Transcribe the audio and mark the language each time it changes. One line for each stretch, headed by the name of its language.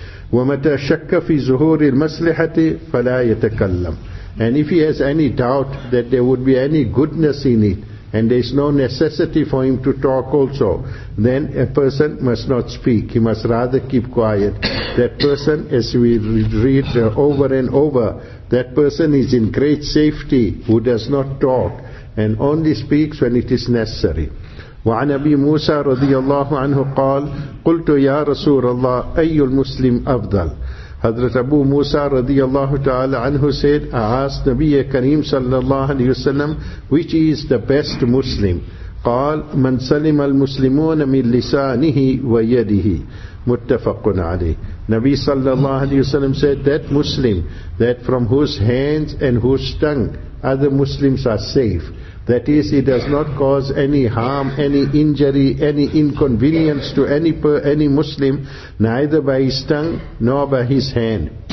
Arabic: وَمَتَى شَكَّ فِي زُهُورِ الْمَسْلِحَةِ فَلَا يَتَكَلَّمْ,
English: and if he has any doubt that there would be any goodness in it, and there is no necessity for him to talk also, then a person must not speak. He must rather keep quiet. That person, as we read over and over, that person is in great safety who does not talk and only speaks when it is necessary.
Arabic: وعن أبي موسى رضي الله عنه قال قلت يا رسول الله أي المسلم أفضل.
English: Hazrat Abu Musa radiyallahu ta'ala anhu said, I asked Nabiya Kareem sallallahu alayhi wa sallam, which is the best Muslim?
Arabic: قال, من سلم المسلمون من لسانه ويده. متفقن عليه.
English: Nabi sallallahu alayhi wa sallam said, that Muslim, that from whose hands and whose tongue other Muslims are safe. That is, he does not cause any harm, any injury, any inconvenience to any Muslim, neither by his tongue nor by his hand.